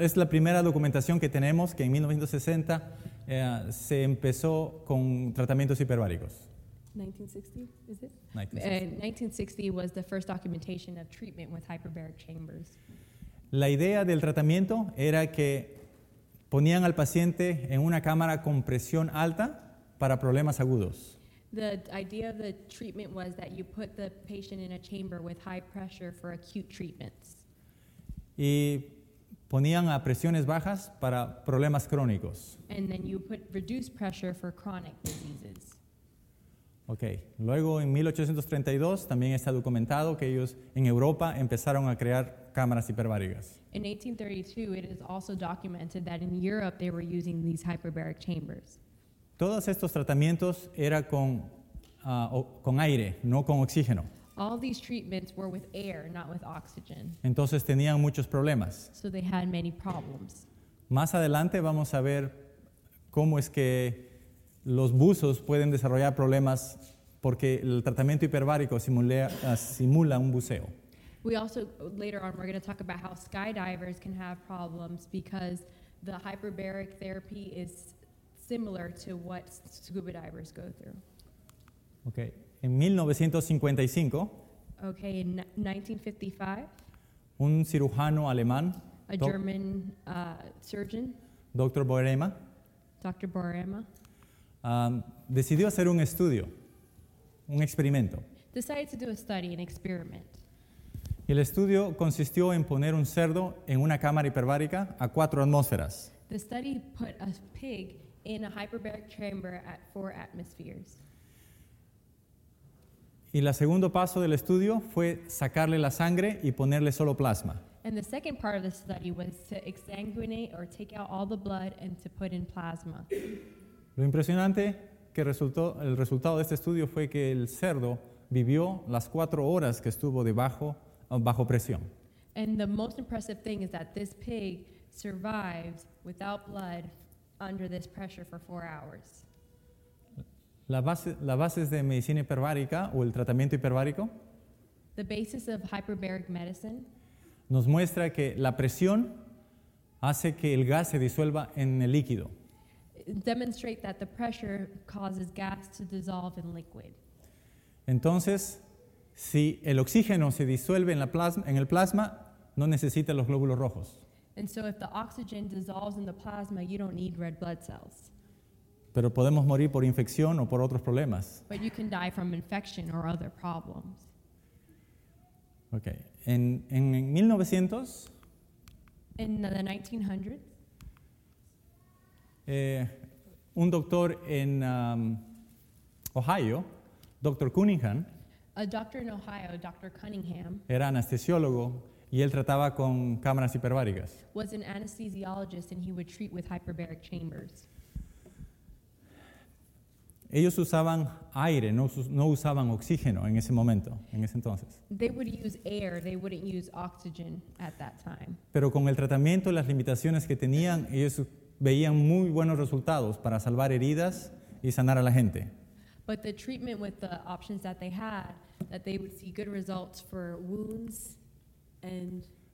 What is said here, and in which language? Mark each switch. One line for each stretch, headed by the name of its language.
Spanish: es la primera documentación que tenemos que en 1960 se empezó con tratamientos hiperbáricos.
English: 1960, is it? 1960 was the first documentation of treatment with hyperbaric chambers.
Spanish: La idea del tratamiento era que ponían al paciente en una cámara con presión alta para problemas agudos.
English: The idea of the treatment was that you put the patient in a chamber with high pressure for acute treatments.
Spanish: Y ponían a presiones bajas para problemas crónicos.
English: And then you put reduced pressure for chronic diseases. Okay.
Spanish: Luego en 1832 también está documentado que ellos en Europa empezaron a crear cámaras hiperbáricas.
English: In 1832, it is also documented that in Europe they were using these hyperbaric chambers.
Spanish: Todos estos tratamientos era con aire, no con oxígeno.
English: All these treatments were with air, not with oxygen.
Spanish: Entonces tenían muchos problemas.
English: So they had many problems.
Spanish: Más adelante vamos a ver cómo es que los buzos pueden desarrollar problemas porque el tratamiento hiperbárico simula un buceo.
English: We also, later on, we're going to talk about how skydivers can have problems because the hyperbaric therapy is similar to what scuba divers go through. Okay. In 1955. Okay, in 1955.
Spanish: Un cirujano alemán.
English: A German surgeon. Dr. Boerema. Dr. Boerema.
Spanish: Decidió hacer un estudio, un experimento.
English: Decided to do a study, an experiment.
Spanish: Y el estudio consistió en poner un cerdo en una cámara hiperbárica a 4 atmósferas.
English: The study put a pig in a hyperbaric chamber at 4 atmospheres.
Spanish: Y el segundo paso del estudio fue sacarle la sangre y ponerle solo plasma.
English: And the second part of the study was to exsanguinate or take out all the blood and to put in plasma.
Spanish: Lo impresionante que resultó, el resultado de este estudio fue que el cerdo vivió las 4 horas que estuvo bajo presión.
English: And the most impressive thing is that this pig survived without blood under this pressure for 4 hours.
Spanish: La base de medicina hiperbárica o el tratamiento hiperbárico.
English: the basis of hyperbaric medicine.
Spanish: Nos muestra que la presión hace que el gas se disuelva en el líquido.
English: Demonstrate that the pressure causes gas to dissolve in liquid.
Spanish: Entonces, si el oxígeno se disuelve en el plasma, no necesita los glóbulos rojos.
English: And so if the oxygen dissolves in the plasma, you don't need red blood cells.
Spanish: Pero podemos morir por infección o por otros problemas.
English: But you can die from infection or other problems.
Spanish: Okay. En 1900,
English: in the 1900s,
Spanish: un doctor en Ohio, Dr. Cunningham,
English: a doctor in Ohio, Dr. Cunningham,
Spanish: era anestesiólogo y él trataba con cámaras hiperbáricas.
English: Was an anesthesiologist and he would treat with hyperbaric chambers.
Spanish: Ellos usaban aire, no usaban oxígeno en ese momento, en ese entonces.
English: They would use air, they wouldn't use oxygen at that time.
Spanish: Pero con el tratamiento y las limitaciones que tenían, ellos veían muy buenos resultados para salvar heridas y sanar a la gente.
English: But the treatment with the options that they had, that they would see good results for wounds and